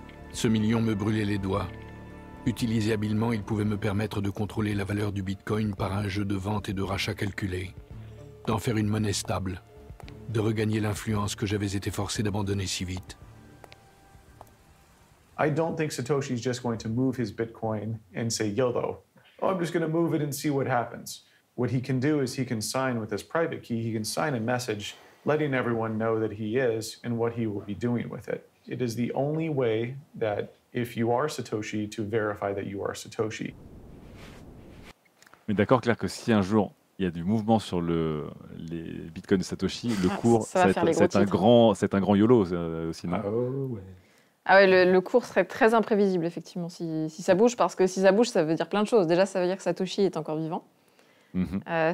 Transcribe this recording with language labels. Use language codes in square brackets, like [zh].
[fr] Ce million me brûlait les doigts. Utilisé habilement, il pouvait me permettre de contrôler la valeur du Bitcoin par un jeu de vente et de rachat calculé, d'en faire une monnaie stable, de regagner l'influence que j'avais été forcé d'abandonner si vite. [en] I don't think Satoshi's just going to move his Bitcoin and say YOLO. Oh, I'm just going to move it and see what happens. What he can do is he can sign with his private key, he can sign a message letting everyone know that he is and what he will be doing with it. It is the only way that if you are Satoshi, to verify that you are Satoshi. [fr] Mais d'accord, Claire, que si un jour il y a du mouvement sur les bitcoins de Satoshi, le cours, c'est un grand YOLO aussi, non? Ah ouais. Ah ouais, le cours serait très imprévisible, effectivement, si ça bouge, parce que si ça bouge, ça veut dire plein de choses. Déjà, ça veut dire que Satoshi est encore vivant. Mm-hmm.